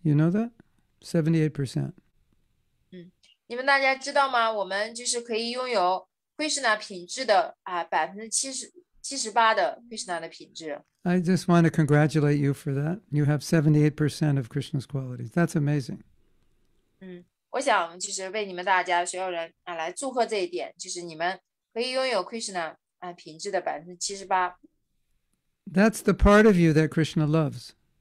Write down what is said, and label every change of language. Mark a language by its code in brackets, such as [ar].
[en] You know that? 78%. [zh] 你们大家知道吗?我们就是可以拥有Krishna品质的78%的Krishna的品质。 [en] I just want to congratulate you for that. You have 78% of Krishna's qualities. That's amazing. [zh] 我想就是为你们大家所有人来祝贺这一点，就是你们可以拥有Krishna品质的78%。 [en] That's the part of you that Krishna loves.